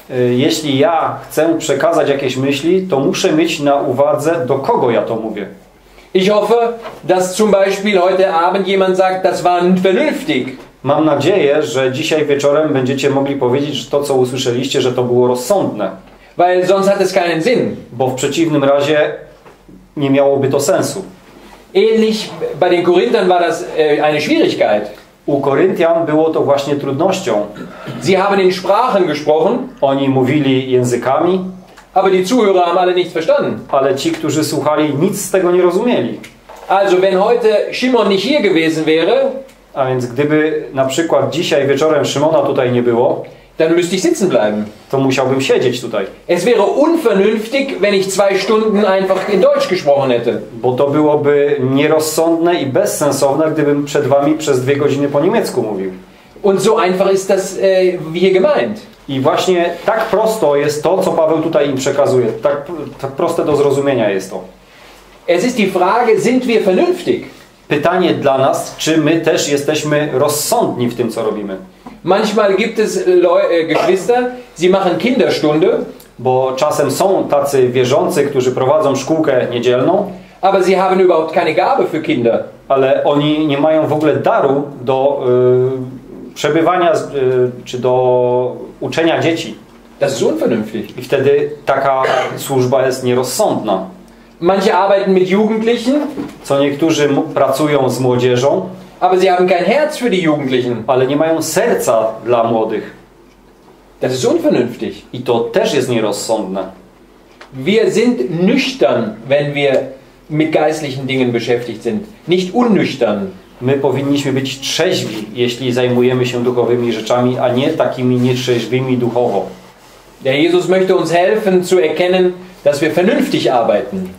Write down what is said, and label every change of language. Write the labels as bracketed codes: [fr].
[pl] Jeśli ja chcę przekazać jakieś myśli, to muszę mieć na uwadze, do kogo ja to mówię. [de] Ich hoffe, dass zum Beispiel heute Abend jemand sagt, das war vernünftig. [pl] Mam nadzieję, że dzisiaj wieczorem będziecie mogli powiedzieć, że to, co usłyszeliście, że to było rozsądne. [de] Weil sonst hat es keinen Sinn. [pl] Bo w przeciwnym razie nie miałoby to sensu. [de] Ähnlich bei den Korinthern war das eine Schwierigkeit. [pl] U Koryntian było to właśnie trudnością. [de] Sie haben in Sprachen gesprochen, [pl] oni mówili językami, [de] aber die Zuhörer haben alle nichts verstanden. [pl] Ale ci, którzy słuchali, nic z tego nie rozumieli. [de] Also wenn heute Simon nicht hier gewesen wäre, [pl] a więc gdyby na przykład dzisiaj wieczorem Szymona tutaj nie było, [de] dann müsste ich sitzen bleiben. [pl] To musiałbym siedzieć tutaj. [de] Es wäre unvernünftig, wenn ich zwei Stunden einfach in Deutsch gesprochen hätte. [pl] Bo to byłoby nierozsądne i bezsensowne, gdybym przed wami przez dwie godziny po niemiecku mówił. [de] Und so einfach ist das hier gemeint. [pl] I właśnie tak prosto jest to, co Paweł tutaj im przekazuje. Tak, tak proste do zrozumienia jest to. [de] Es ist die Frage, sind wir vernünftig? [pl] Pytanie dla nas, czy my też jesteśmy rozsądni w tym, co robimy. [de] Manchmal gibt es Geschwister, sie machen Kinderstunde, [pl] bo czasem są tacy wierzący, którzy prowadzą szkółkę niedzielną, [de] aber sie haben überhaupt keine Gabe für Kinder, [pl] ale oni nie mają w ogóle daru do przebywania czy do uczenia dzieci. [de] Das ist unvernünftig. [pl] I wtedy taka służba jest nierozsądna. [de] Manche arbeiten mit Jugendlichen, [pl] co niektórzy pracują z młodzieżą. [de] Aber sie haben kein Herz für die Jugendlichen. [pl] Ale nie mają serca dla młodych. [de] Das ist unvernünftig. [pl] I to też jest nierozsądne. [de] Wir sind nüchtern, wenn wir mit geistlichen Dingen beschäftigt sind. Nicht unnüchtern. [pl] My powinniśmy być trzeźwi, jeśli zajmujemy się duchowymi rzeczami, a nie takimi nietrzeźwymi duchowo. [de] Der Jesus möchte uns helfen zu erkennen, dass wir vernünftig arbeiten.